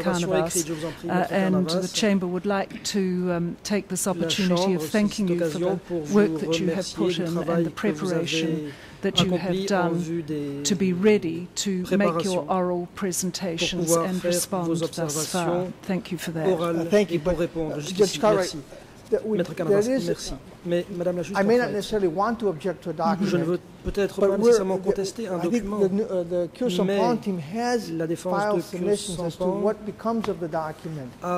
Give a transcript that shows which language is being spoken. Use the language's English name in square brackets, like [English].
[English] Carnavas. And the Chamber would like to take this opportunity of thanking you for the work that you have put in and the preparation that you have done to be ready to make your oral presentations and respond thus far. Thank you for that. Thank you, but Judge Cartwright, I may not necessarily want to object to a document. [French] Je ne veux peut-être pas nécessairement contester un document. [English] The Cusson Pond team has filed submissions as to what becomes of the document.